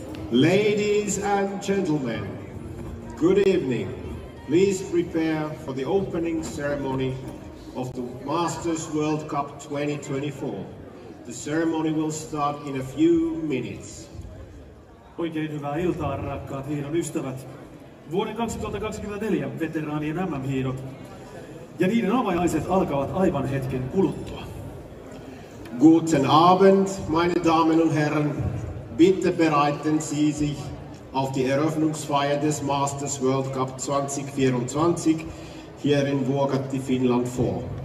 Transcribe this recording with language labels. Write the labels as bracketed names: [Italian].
[English] Ladies and gentlemen, good evening. Please prepare for the opening ceremony of the Masters World Cup 2024. The ceremony will start in a few minutes. [Finnish] Oikein hyvää iltaa, rakkaat hiihdon ystävät. Vuoden 2024 veteraanien MM-hiihdot ja niiden avajaiset alkavat aivan hetken kuluttua. [German] Guten Abend, meine Damen und Herren. Bitte bereiten Sie sich auf die Eröffnungsfeier des Masters World Cup 2024 hier in Vuokatti, Finnland vor.